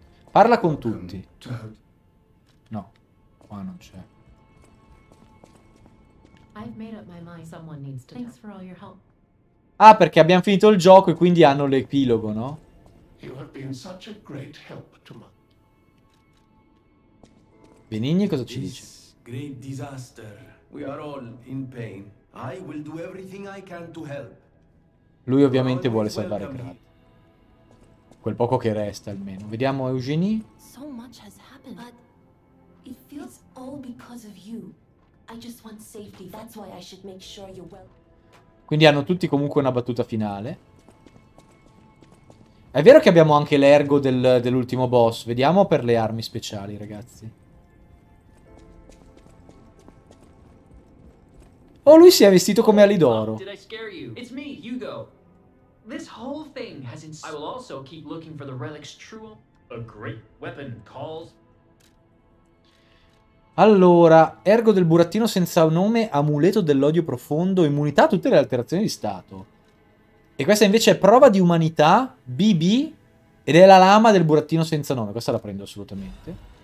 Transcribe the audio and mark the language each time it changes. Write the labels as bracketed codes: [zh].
[it] Parla con tutti. No, qua non c'è. [en] I've made up my mind. Someone needs to. Thanks for all your help. [it] Ah, perché abbiamo finito il gioco e quindi hanno l'epilogo, no? [en] You have been such a great help to me. [it] Benigni, cosa ci dice? [en] Great disaster. We are all in pain. I will do everything I can to help. [it] Lui ovviamente vuole salvare Krat. Quel poco che resta almeno. Vediamo Eugenie. [en] So much has happened. But it feels all because of you. I just want safety. That's why I should make sure you're well. [it] Quindi hanno tutti comunque una battuta finale. È vero che abbiamo anche l'ergo dell'ultimo boss. Vediamo per le armi speciali, ragazzi. Oh, lui si è vestito come Ali d'Oro. [en] Did I scare you? It's me, Hugo. This whole thing has I will also keep looking for the relic's true. A great weapon calls. [it] Allora, ergo del burattino senza nome, amuleto dell'odio profondo, immunità a tutte le alterazioni di stato. E questa invece è prova di umanità, BB, ed è la lama del burattino senza nome, questa la prendo assolutamente.